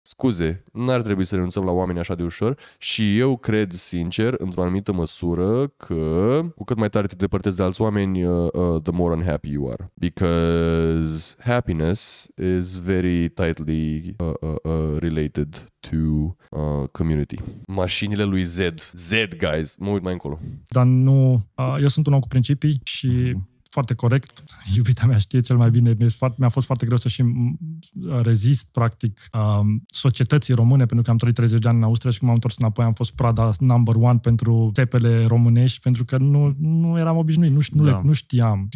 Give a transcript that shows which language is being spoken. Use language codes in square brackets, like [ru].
[ro] Scuze, n-ar trebui să renunțăm la oameni așa de ușor și eu cred sincer, într-o anumită măsură, că cu cât mai tare te depărtezi de alți oameni, [en] the more unhappy you are. Because happiness is very tightly related to community. [ro] Mașinile lui Z, guys, mă uit mai încolo. Dar nu, eu sunt un om cu principii și foarte corect. Iubita mea știe cel mai bine. Mi-a fost foarte greu să și rezist, practic, societății române, pentru că am trăit 30 de ani în Austria și când m-am întors înapoi am fost prada number one pentru țepele românești, pentru că nu eram obișnuit, nu știam.